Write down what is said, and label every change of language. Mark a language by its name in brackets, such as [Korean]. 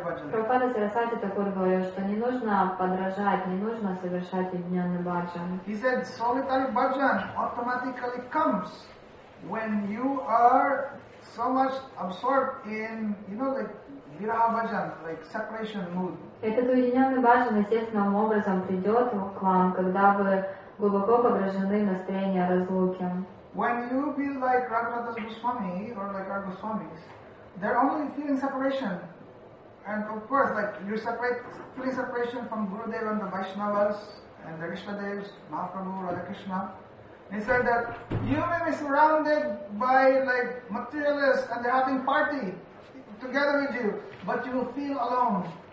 [Russian] Прабхупада Сарасвати Такур говорил, что не нужно подражать, не нужно совершать объединенный баджан. [English] He said, solitary bhajan automatically comes when you are so much absorbed in, you know, like viraha bhajan, like separation mood. [Russian] Этот уединенный баджан естественным образом придет к вам, когда вы глубоко погружены в настроение разлуки. [English] When you be like Raghunathas Goswami or like our Goswamis, they're only feeling separation. And of course, like you're feeling separation from Gurudev and the Vaishnavas and the Rishvadevs, Mahaprabhu, Radha Krishna. He said that you may be surrounded by like materialists and they're having party together with you, but you will feel alone.